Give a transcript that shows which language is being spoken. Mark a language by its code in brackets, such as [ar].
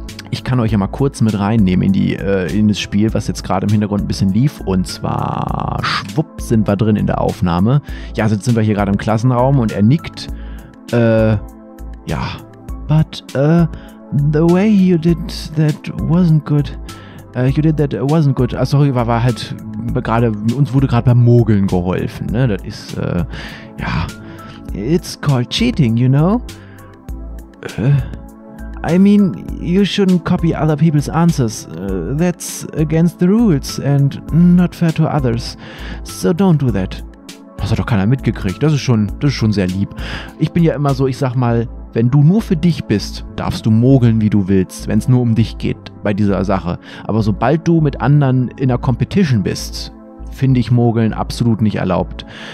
[de] ich kann euch ja mal kurz mit reinnehmen in das Spiel, was jetzt gerade im Hintergrund ein bisschen lief. Und zwar, schwupp, sind wir drin in der Aufnahme. Ja, jetzt sind wir hier gerade im Klassenraum und er nickt. [en] But, the way you did that wasn't good. [de] Ah, sorry, war halt gerade, uns wurde gerade beim Mogeln geholfen, ne? Das ist, ja. [en] It's called cheating, you know? I mean, you shouldn't copy other people's answers. That's against the rules and not fair to others. So don't do that. [de] Das hat doch keiner mitgekriegt. Das ist schon sehr lieb. Ich bin ja immer so, ich sag mal, wenn du nur für dich bist, darfst du mogeln, wie du willst, wenn es nur um dich geht bei dieser Sache. Aber sobald du mit anderen in einer Competition bist, finde ich mogeln absolut nicht erlaubt.